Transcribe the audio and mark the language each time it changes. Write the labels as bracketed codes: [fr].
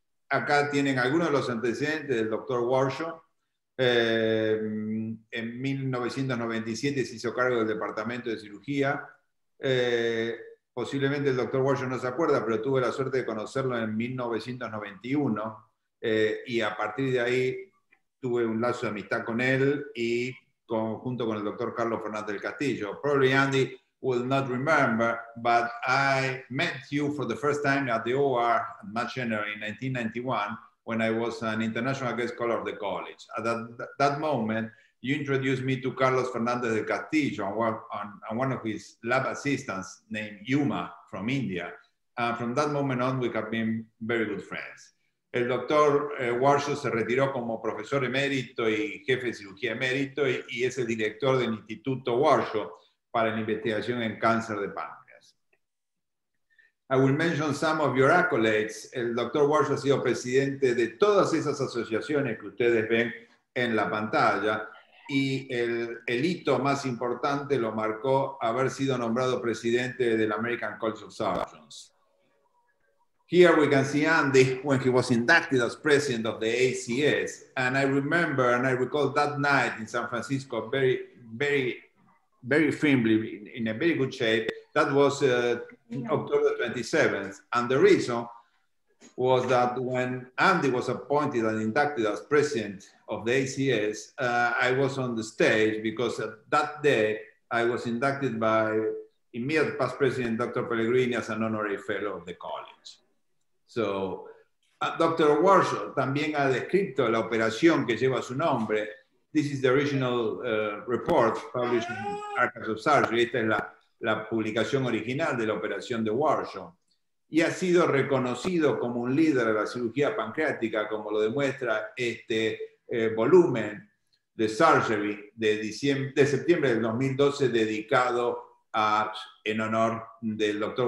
[es] Acá tienen algunos de los antecedentes del Dr. Warshaw. En 1997 se hizo cargo del Departamento de Cirugía. Posiblemente el Dr. Warshaw no se acuerda, pero tuve la suerte de conocerlo en 1991 y a partir de ahí tuve un lazo de amistad con él y junto con el Dr. Carlos Fernández del Castillo. [en] Probably Andy will not remember, but I met you for the first time at the OR at Mass General in 1991 when I was an international guest scholar of the college. At that moment, you introduced me to Carlos Fernández del Castillo and one of his lab assistants named Yuma from India. From that moment on, we have been very good friends. [es] El doctor Warshaw se retiró como profesor emérito y jefe de cirugía emérito y es el director del Instituto Warshaw para la investigación en cáncer de páncreas. [en] I will mention some of your accolades. [es] El doctor Warshaw ha sido presidente de todas esas asociaciones que ustedes ven en la pantalla. Y el hito más importante lo marcó haber sido nombrado presidente del American College of Surgeons. [en] Here we can see Andy when he was inducted as president of the ACS. And I remember and I recall that night in San Francisco very, very, very firmly in a very good shape. That was October 27th. And the reason was that when Andy was appointed and inducted as president of the ACS, I was on the stage because that day I was inducted by immediate past president Dr. Pellegrini as an honorary fellow of the college. So Dr. [es] Warshaw también ha descrito la operación que lleva su nombre. [en] This is the original report published in Archives of Surgery. [es] Esta es la publicación original de la operación de Warshaw. Y ha sido reconocido como un líder de la cirugía pancreática, como lo demuestra este volumen de surgery de septiembre del 2012 dedicado en honor del Dr.